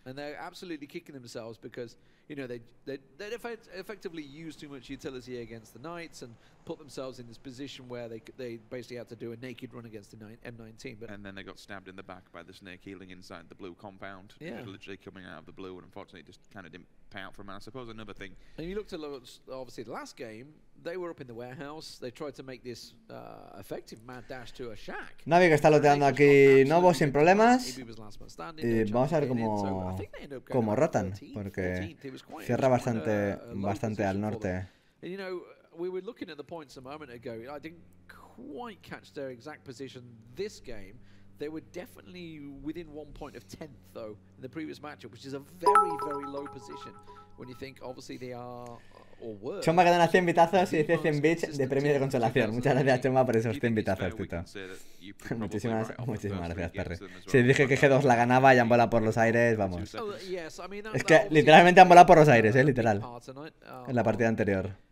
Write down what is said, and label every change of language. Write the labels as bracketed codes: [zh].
[en] And they're absolutely kicking themselves because, you know, they effectively used too much utility against the Knights and put themselves in this position where they basically had to do a naked run against the M19. But and then they got stabbed in the back by the snake healing inside the blue compound. Yeah. Literally coming out of the blue, and unfortunately just kind of didn't pay out for them. I suppose another thing. And you looked at, obviously, the last game. They were up in the warehouse. They tried to make this effective mad dash to a shack. [es] Navi que está loteando aquí Novo sin problemas. Y vamos a ver cómo rotan, porque cierra bastante al norte. [en] And you know, we were looking at the points a moment ago. I didn't quite catch their exact position this game. They were definitely within one point of 10th, though, in the previous matchup, which is a very, very low position when you think, obviously, they are... [es] Chomba que dona 100 bitazos y dice 100 bits de premio de consolación. Muchas gracias, Chomba, por esos 100 bitazos, Tito. Muchísimas, muchísimas gracias, Perry. Si dije que G2 la ganaba y han volado por los aires, vamos. Es que literalmente han volado por los aires, literal. En la partida anterior.